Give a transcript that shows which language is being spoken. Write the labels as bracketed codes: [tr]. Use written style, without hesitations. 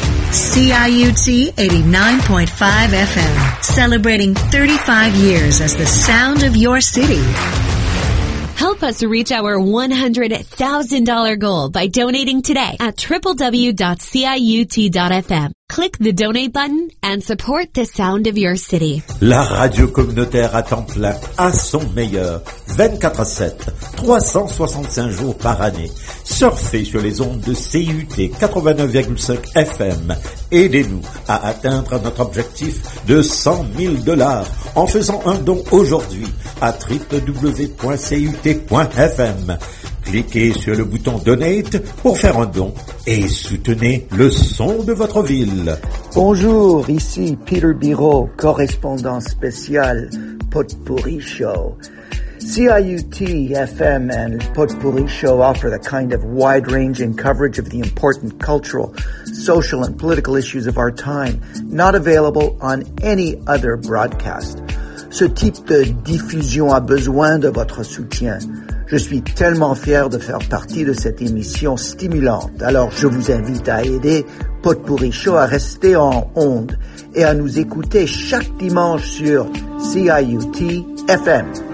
[en] CIUT 89.5 FM, celebrating 35 years as the sound of your city. Help us reach our $100,000 goal by donating today at www.ciut.fm. Click the donate button and support the sound of your city. [fr] La radio communautaire à temps plein, à son meilleur, 24/7, 365 jours par année. Surfez sur les ondes de CUT 89,5 FM. Aidez-nous à atteindre notre objectif de $100,000 en faisant un don aujourd'hui à www.cut.fm. Cliquez sur le bouton Donate pour faire un don et soutenez le son de votre ville. Bonjour, ici Peter Biro, correspondant spécial. Potpourri Show. [en] CIUT FM and Potpourri Show offer the kind of wide-ranging coverage of the important cultural, social, and political issues of our time, not available on any other broadcast. [fr] Ce type de diffusion a besoin de votre soutien. Je suis tellement fier de faire partie de cette émission stimulante. Alors, je vous invite à aider Potpourri Show à rester en onde et à nous écouter chaque dimanche sur CIUT FM.